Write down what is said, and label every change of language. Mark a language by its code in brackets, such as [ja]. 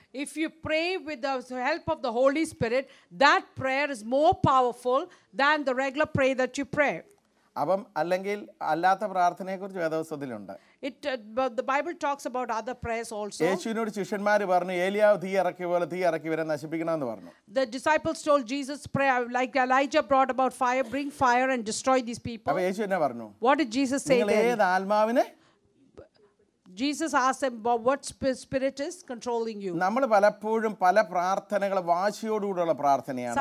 [en] If you pray with the help of the Holy Spirit, that prayer is more powerful than the regular prayer that you pray. [ml] അപ്പം അല്ലെങ്കിൽ അല്ലാത്ത പ്രാർത്ഥനയെക്കുറിച്ച് വേദപുസ്തകത്തിലുണ്ട്. [en] The Bible talks about other prayers also. [ml] യേശുവിനോട് ശിഷ്യന്മാർ പറഞ്ഞു, ഏലിയാവ് തീ ഇറക്കിയ പോലെ തീ ഇറക്കി വരെ നശിപ്പിക്കണം എന്ന് പറഞ്ഞു. [en] The disciples told Jesus pray like Elijah brought about fire, bring fire and destroy these people. [ml] അപ്പോൾ യേശു എന്നാ പറഞ്ഞു? [en] What did Jesus say then? [ml] നിങ്ങൾ ഏത് ആത്മാവിനെ? [en] Jesus asked him, what spirit is controlling you? [ml] നമ്മൾ പലപ്പോഴും പല പ്രാർത്ഥനകൾ വാശിയോട് കൂടിയുള്ള പ്രാർത്ഥനയാണ്.